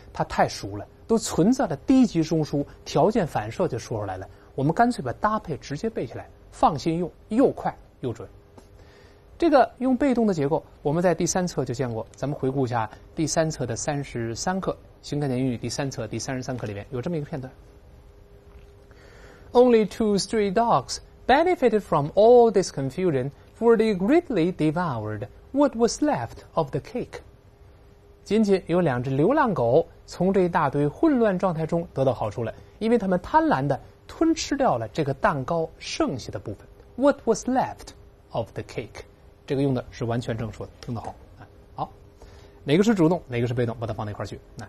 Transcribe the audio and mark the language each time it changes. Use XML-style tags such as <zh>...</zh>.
<zh>他太熟了，都存在了低级中枢，条件反射就说出来了。我们干脆把搭配直接背起来，放心用，又快又准。这个用被动的结构我们在第三册就见过，咱们回顾一下第三册的33课，新概念英语第三册第33课里面有这么一个片段。</zh> <en>Only two stray dogs benefited from all this confusion, for they greatly devoured what was left of the cake.</en> <zh>仅仅有两只流浪狗从这一大堆混乱状态中得到好处了，因为他们贪婪地吞吃掉了这个蛋糕剩下的部分。</zh> <en>What was left of the cake，</en> <zh>这个用的是完全正说的，听得好。好，哪个是主动哪个是被动，把它放那块去。</zh>